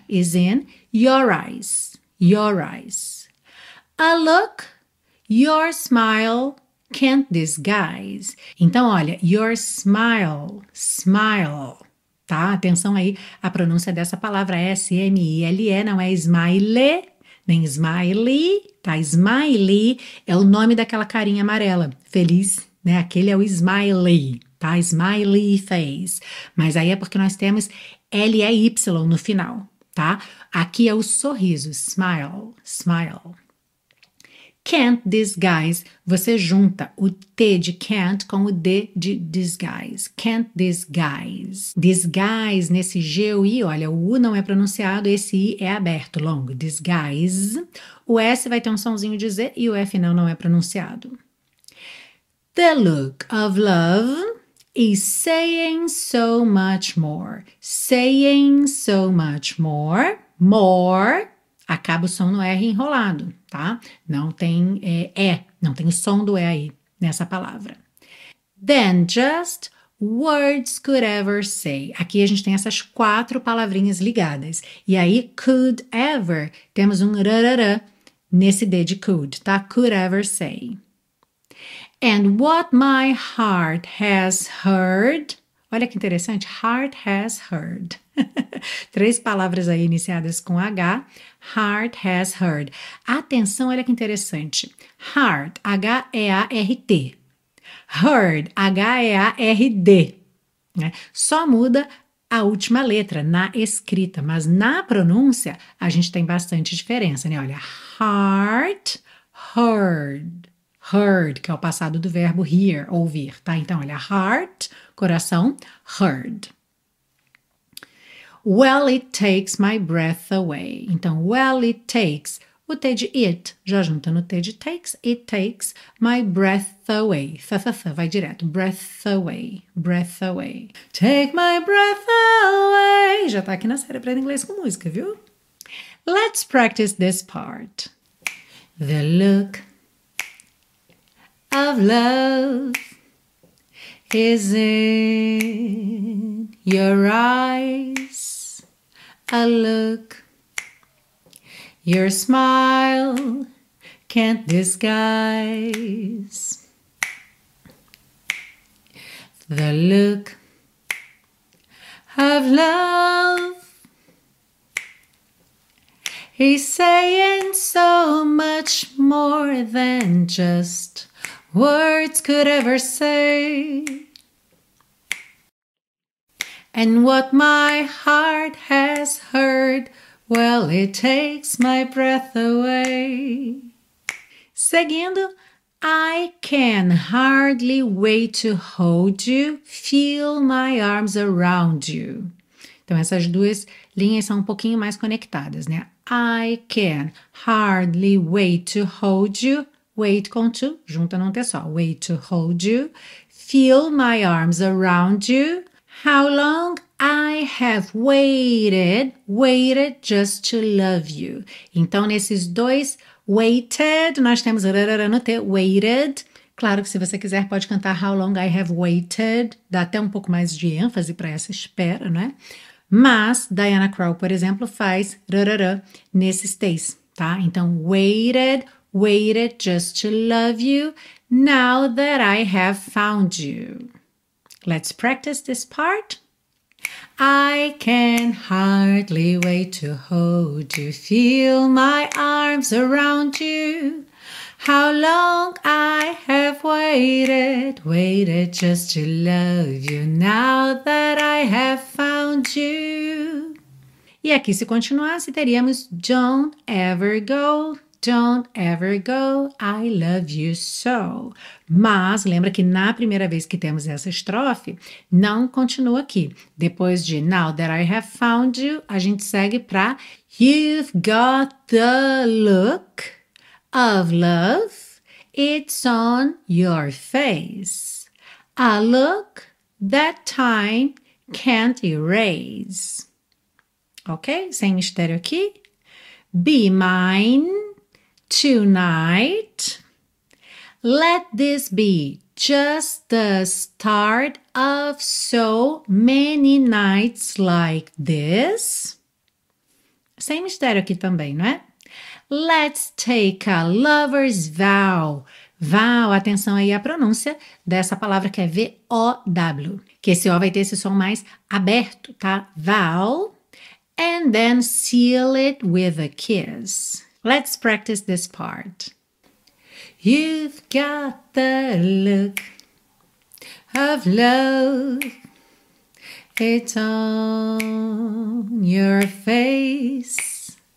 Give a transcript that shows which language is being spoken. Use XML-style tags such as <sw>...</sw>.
<en>Is in your eyes, your eyes. A look your smile can't disguise.</en> <pt>Então, olha,</pt> <en>your smile, smile.</en> <pt>Tá? Atenção aí à pronúncia dessa palavra, S-M-I-L-E, não é smile, nem smiley, tá? Smiley é o nome daquela carinha amarela, feliz, né? Aquele é o smiley, tá?</pt> <en>Smiley face.</en> <pt>Mas aí é porque nós temos L-E-Y no final, tá? Aqui é o sorriso, smile, smile.</pt> <en>Can't disguise,</en> <pt>você junta o T de can't com o D de disguise.</pt> <en>Can't disguise.</en> <pt>Disguise nesse G, o I, olha, o U não é pronunciado, esse I é aberto, longo. Disguise. O S vai ter um sonzinho de Z e o F não é pronunciado.</pt> <en>The look of love is saying so much more. Saying so much more. More.</en> <pt>Acaba o som no R enrolado, tá? Não tem E, não tem o som do E aí nessa palavra.</pt> <en>Then just words could ever say.</en> <pt>Aqui a gente tem essas quatro palavrinhas ligadas. E aí,</pt> <en>could ever,</en> <pt>temos um rarará nesse D de could, tá?</pt> <en>Could ever say. And what my heart has heard.</en> <pt>Olha que interessante,</pt> <en>heart has heard.</en> <pt>Três palavras aí iniciadas com H.</pt> <en>Heart has heard.</en> <pt>Atenção, olha que interessante. Heart, H-E-A-R-T. Heard, H-E-A-R-D. Né? Só muda a última letra na escrita, mas na pronúncia a gente tem bastante diferença, né? Olha,</pt> <en>heart, heard.</en> <pt>Heard, que é o passado do verbo hear, ouvir, tá? Então, olha, heart, coração, heard.</pt> <en>Well, it takes my breath away.</en> <pt>Então,</pt> <en>well, it takes,</en> <pt>o T de it, já junta no T de takes,</pt> <en>it takes my breath away. Tha,</en> <pt>vai direto,</pt> <en>breath away, breath away. Take my breath away.</en> <pt>Já tá aqui na série Aprenda Inglês com Música, viu?</pt> <en>Let's practice this part. The look of love is in your eyes, a look your smile can't disguise. The look of love is saying so much more than just words could ever say. And what my heart has heard, well, it takes my breath away. Seguindo, I can hardly wait to hold you, feel my arms around you.</en> <pt>Então, essas duas linhas são um pouquinho mais conectadas, né?</pt> <en>I can hardly wait to hold you. Wait com to,</en> <pt>junta num T só.</pt> <en>Wait to hold you. Feel my arms around you. How long I have waited, waited just to love you.</en> <pt>Então, nesses dois, waited, nós temos rarara no T, waited. Claro que se você quiser, pode cantar</pt> <en>how long I have waited.</en> <pt>Dá até um pouco mais de ênfase para essa espera, né? Mas, Diana Krall, por exemplo, faz rarara nesses T's, tá?</pt> <en>Então, waited, waited just to love you, now that I have found you. Let's practice this part. I can hardly wait to hold you, feel my arms around you. How long I have waited, waited just to love you, now that I have found you.</en> <pt>E aqui, se continuasse, teríamos</pt> <en>don't ever go. Don't ever go, I love you so.</en> <pt>Mas lembra que na primeira vez que temos essa estrofe, não continua aqui. Depois de</pt> <en>now that I have found you,</en> <pt>a gente segue para</pt> <en>you've got the look of love, it's on your face. A look that time can't erase. Ok?</en> <pt>Sem mistério aqui.</pt> <en>Be mine tonight. Let this be just the start of so many nights like this.</en> <pt>Sem mistério aqui também, não é?</pt> <en>Let's take a lover's vow.</en> <pt>Vow, atenção aí à pronúncia dessa palavra que é V-O-W. Que esse O vai ter esse som mais aberto, tá? Vow.</pt> <en>And then seal it with a kiss. Let's practice this part. You've got the look of love. It's on your face.</en>